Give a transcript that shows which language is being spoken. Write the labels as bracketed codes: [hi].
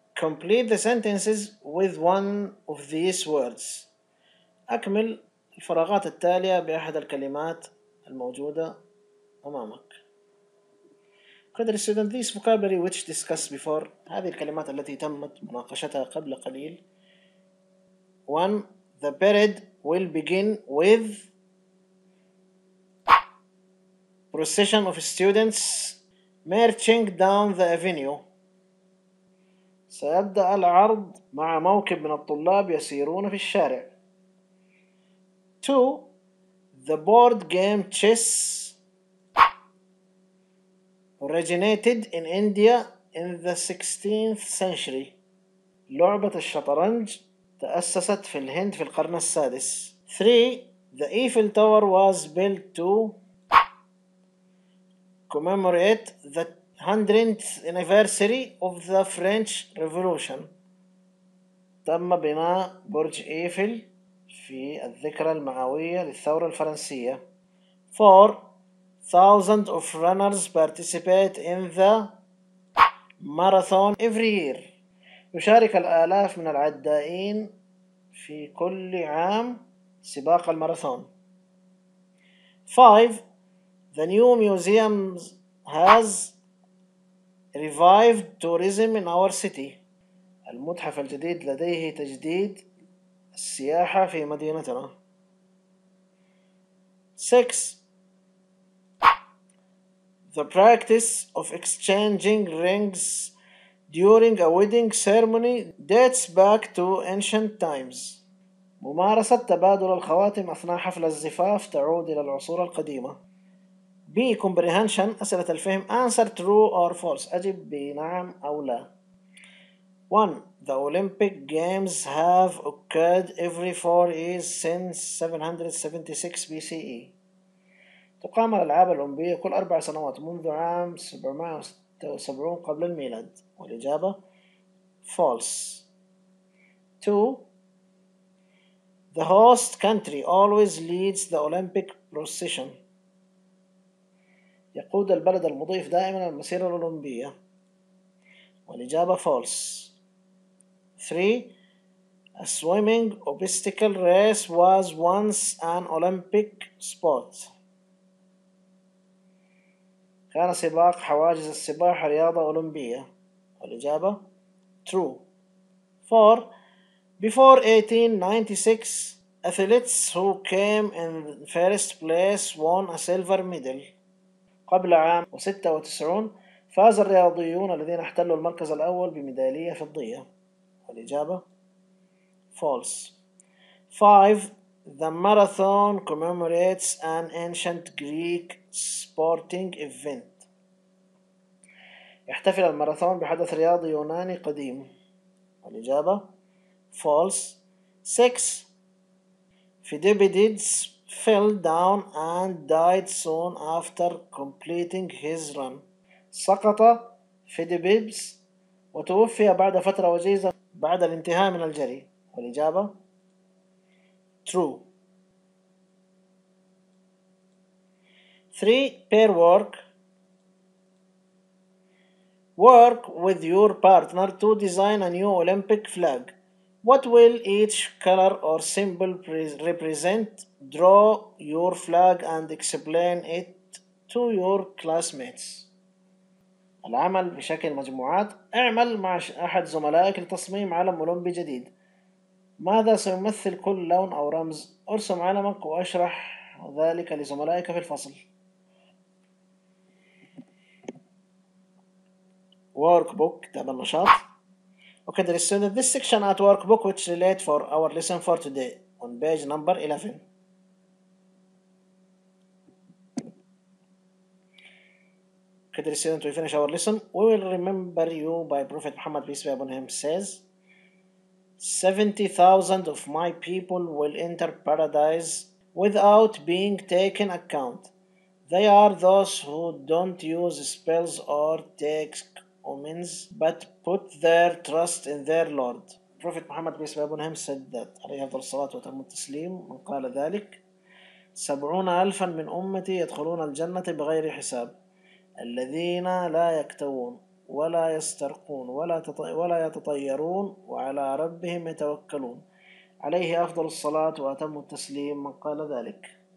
[en] Complete the sentences with one of these words. [ar] أكمل الفراغات التالية بأحد الكلمات الموجودة أمامك. [en] Dear student, this vocabulary which discussed before, [ar] هذه الكلمات التي تمت مناقشتها قبل قليل. [en] One, the period will begin with procession of students marching down the avenue. [ar] سيبدأ العرض مع موكب من الطلاب يسيرون في الشارع. [en] Two, The board game chess originated in India in the 16th century. [ar] لعبة الشطرنج تأسست في الهند في القرن السادس. [en] 3. The Eiffel Tower was built to commemorate the 100th anniversary of the French Revolution. [ar] تم بناء برج إيفل في الذكرى المئوية للثورة الفرنسية. [en] 4. Thousands of runners participate in the marathon every year. [ar] يشارك الآلاف من العدائين في كل عام سباق الماراثون. [en] 5. The new museum has revived tourism in our city. [ar] المتحف الجديد لديه تجديد السياحة في مدينتنا. [en] 6. The practice of exchanging rings during a wedding ceremony dates back to ancient times. [ar] ممارسة تبادل الخواتم أثناء حفل الزفاف تعود إلى العصور القديمة. [en] B. Comprehension. [ar] أسئلة الفهم. [en] Answer true or false. [ar] أجب بنعم أو لا. 1. [en] The Olympic Games have occurred every 4 years since 776 BCE. [ar] تقام الألعاب الأولمبية كل 4 سنوات منذ عام 776 قبل الميلاد. والإجابة [en] false. [ar] 2. [en] The host country always leads the Olympic procession. [ar] يقود البلد المضيف دائما المسيرة الأولمبية. والإجابة [en] false. 3. A swimming obstacle race was once an Olympic sport. [ar] كان سباق حواجز السباحة رياضة أولمبية. والإجابة [en] true. 4. Before 1896, athletes who came in first place won a silver medal. [ar] قبل عام 96 فاز الرياضيون الذين احتلوا المركز الأول بميدالية فضية. الإجابة [en] false. [ar] 5. [en] The marathon commemorates an ancient Greek sporting event. [ar] يحتفل الماراثون بحدث رياضي يوناني قديم. الإجابة [en] false. [ar] 6. [en] Phidippides fell down and died soon after completing his run. [ar] سقط فيديبيدس وتوفي بعد فترة وجيزة بعد الانتهاء من الجري. والإجابة [en] true. 3. Pair work. Work with your partner to design a new Olympic flag. What will each color or symbol represent? Draw your flag and explain it to your classmates. [ar] العمل بشكل مجموعات. اعمل مع أحد زملائك لتصميم علم أولمبي جديد. ماذا سيمثل كل لون أو رمز؟ أرسم علمك وأشرح ذلك لزملائك في الفصل. [en] Workbook [ar] كتاب النشاط. [en] Okay, there is this section at workbook which relate for our lesson for today on page number 11. Dear student, we finish our lesson. We will remember you by Prophet Muhammad, peace be upon him, says 70,000 of my people will enter paradise without being taken account. They are those who don't use spells or take omens, but put their trust in their Lord. Prophet Muhammad, peace be upon him, said that. [ar] عليه أفضل الصلاة وتم التسليم. من قال ذلك 70,000 من أمتي يدخلون الجنة بغير حساب. الذين لا يكتوون ولا يسترقون ولا يتطيرون وعلى ربهم يتوكلون. عليه أفضل الصلاة وأتم التسليم من قال ذلك.